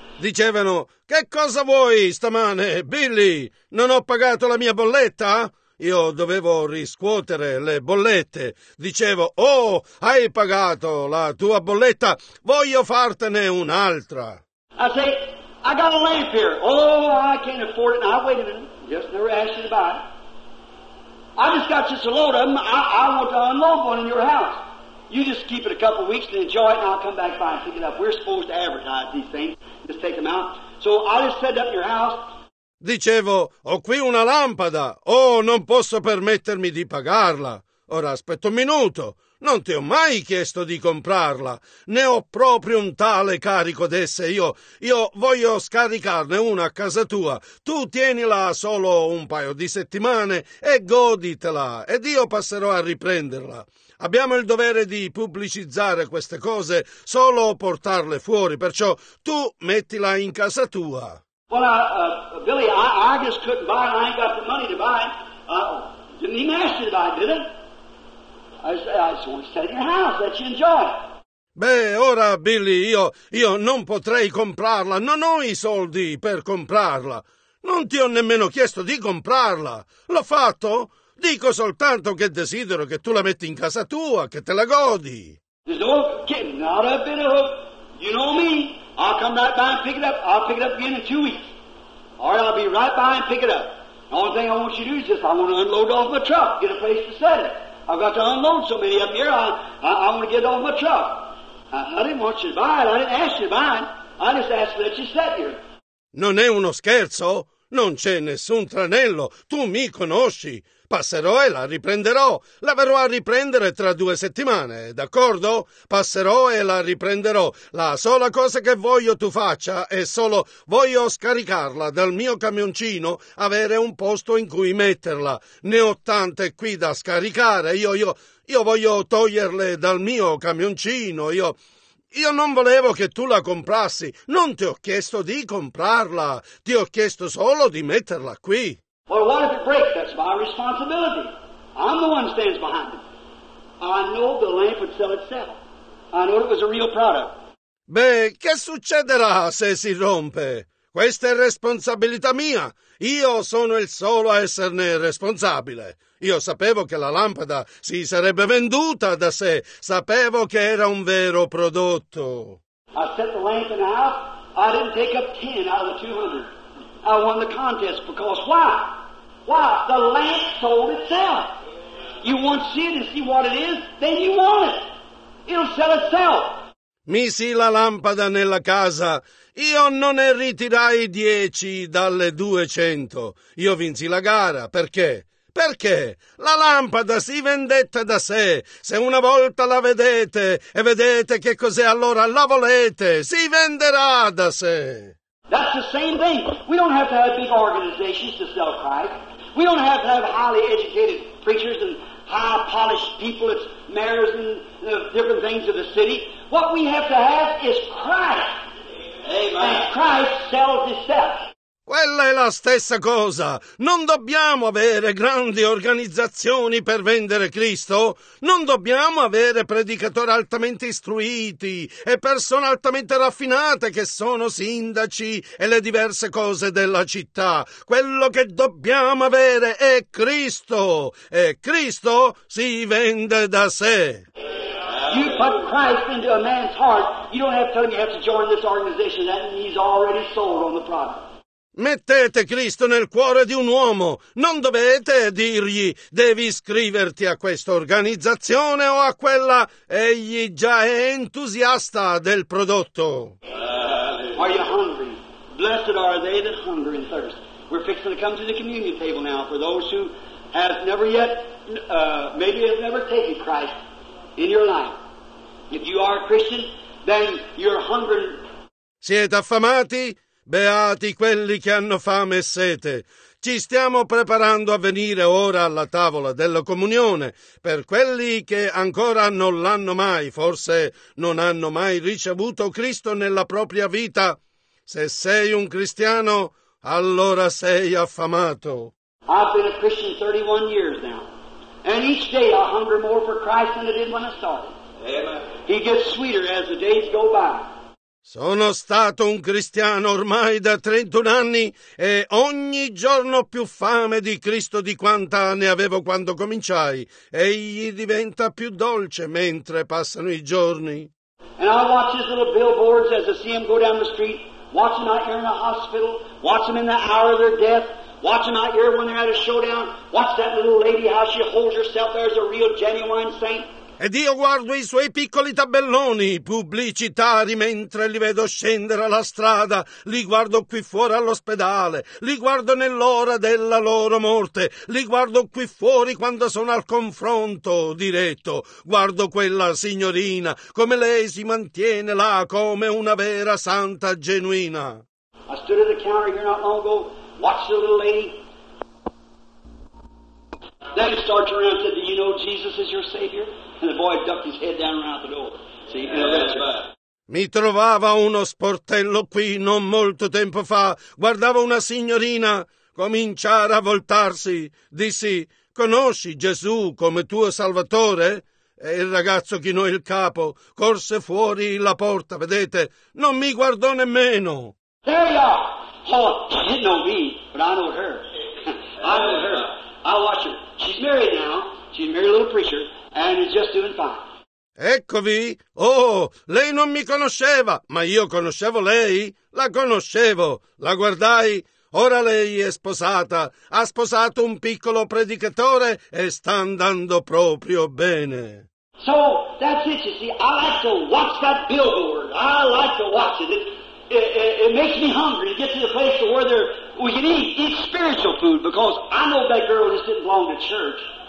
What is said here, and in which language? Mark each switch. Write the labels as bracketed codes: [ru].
[it] Dicevano, che cosa vuoi stamane, Billy? Non ho pagato la mia bolletta? Io dovevo riscuotere le bollette. Dicevo, oh, hai pagato la tua bolletta, voglio fartene un'altra. [en] I say, I got a lamp here. Oh, I can't afford it. Now, wait a minute, just never asked you to buy it. I just got just a load of them. I want to unload one in your house. You just keep it a couple of weeks and enjoy it, and I'll come back by and pick it up. We're supposed to advertise these things. Just take them out. So I just set it up in your house. [it] Dicevo, ho qui una lampada. Oh, non posso permettermi di pagarla. Ora aspetto un minuto. Non ti ho mai chiesto di comprarla, ne ho proprio un tale carico d'esse io voglio scaricarne una a casa tua. Tu tienila solo un paio di settimane e goditela, ed io passerò a riprenderla. Abbiamo il dovere di pubblicizzare queste cose, solo portarle fuori, perciò tu mettila in casa tua. [en] Well, Billy, I just couldn't buy it. I ain't got the money to buy it. Didn't even ask you to buy it, did it? I just want to stay in your house, let you enjoy it. [it] Beh, ora, Billy, io non potrei comprarla. Non ho i soldi per comprarla. Non ti ho nemmeno chiesto di comprarla. L'ho fatto? Dico soltanto che desidero che tu la metti in casa tua, che te la godi. [en] There's no hook. Not a bit of hook. You know me. I'll come right by and pick it up. I'll pick it up again in 2 weeks. All right, I'll be right by and pick it up. The only thing I want you to do is just I want to unload off my truck, get a place to set it. I've got to unload so many up here, I want to get it off my truck. I didn't want you to buy it. I didn't ask you to buy it. I just asked to let you set here. [it] Non è uno scherzo? Non c'è nessun tranello. Tu mi conosci. Passerò e la riprenderò. La verrò a riprendere tra 2 settimane, d'accordo? Passerò e la riprenderò. La sola cosa che voglio tu faccia è solo voglio scaricarla dal mio camioncino, avere un posto in cui metterla. Ne ho tante qui da scaricare. Io voglio toglierle dal mio camioncino. Io non volevo che tu la comprassi. Non ti ho chiesto di comprarla. Ti ho chiesto solo di metterla qui. [en] Well, what if it breaks? That's my responsibility. I'm the one who stands behind it. I know the lamp would sell itself. I know it was a real product. [it] Beh, che succederà se si rompe? Questa è responsabilità mia. Io sono il solo a esserne responsabile. Io sapevo che la lampada si sarebbe venduta da sé. Sapevo che era un vero prodotto. [en] I set the lamp in the house. I didn't take up 10 out of the 200. I won the contest because why? Why? The lamp sold itself. You want to see it and see what it is, then you want it. It'll sell itself. [it] Misi la lampada nella casa. Io non ne ritirai 10 dalle 200. Io vinsi la gara. Perché? Perché la lampada si vendette da sé. Se una volta la vedete e vedete che cos'è, allora la volete. Si venderà da sé. [en] That's the same thing. We don't have to have big organizations to sell Christ. We don't have to have highly educated preachers and high polished people. It's mayors and different things of the city. What we have to have is Christ. Amen. And Christ sells himself. [it] Quella è la stessa cosa. Non dobbiamo avere grandi organizzazioni per vendere Cristo. Non dobbiamo avere predicatori altamente istruiti e persone altamente raffinate che sono sindaci e le diverse cose della città. Quello che dobbiamo avere è Cristo. E Cristo si vende da sé. [en] You put Christ into a man's heart. You don't have to tell him you have to join this organization. He's already sold on the product. [it] Mettete Cristo nel cuore di un uomo. Non dovete dirgli, devi iscriverti a questa organizzazione o a quella. Egli già è entusiasta del prodotto. [en] Are you hungry? Blessed are they that hunger and thirst. We're fixing to come to the communion table now for those who have never yet, maybe have never taken Christ in your life. If you are a Christian, then you're hungry. [it] Siete affamati? Beati quelli che hanno fame e sete. Ci stiamo preparando a venire ora alla tavola della comunione. Per quelli che ancora non l'hanno mai, forse non hanno mai ricevuto Cristo nella propria vita, se sei un cristiano, allora sei affamato. [en] I've been a Christian 31 years now. And each day I hunger more for Christ than I did when I started. Amen. He gets sweeter as the days go by. [it] Sono stato un cristiano ormai da 31 anni e ogni giorno più fame di Cristo di quanta ne avevo quando cominciai. Egli diventa più dolce mentre passano i giorni. [en] And I watch his little billboards as I see him go down the street, watch him out here in the hospital, watch him in the hour of their death, watch him out here when they're at a showdown, watch that little lady, how she holds herself there as a real genuine saint. [it] Ed io guardo i suoi piccoli tabelloni pubblicitari mentre li vedo scendere alla strada. Li guardo qui fuori all'ospedale, li guardo nell'ora della loro morte, li guardo qui fuori quando sono al confronto diretto. Guardo quella signorina, come lei si mantiene là come una vera santa genuina. [en] I stood at the counter here not long ago, watched the little lady. Then he started around and said, "Do you know Jesus is your Savior?" And the boy ducked his head down around the door. See, in the restaurant. [it] Mi trovava uno sportello qui non molto tempo fa. Guardavo una signorina cominciare a voltarsi. Dissi, "Conosci Gesù come tuo Salvatore?" E il ragazzo chinò il capo, corse fuori la porta, vedete? Non mi guardò nemmeno. [en] There you are. Oh, she didn't know me, but I know her. I know her. I watch her. She's married now. She's a married little preacher, and is just doing fine. [it] Eccovi! Oh, lei non mi conosceva, ma io conoscevo lei. La conoscevo, la guardai. Ora lei è sposata, ha sposato un piccolo predicatore e sta andando proprio bene. [en] So, that's it, you see. I like to watch that billboard. I like to watch it. It makes me hungry to get to the place where we can eat spiritual food, because I know that girl just didn't belong to church.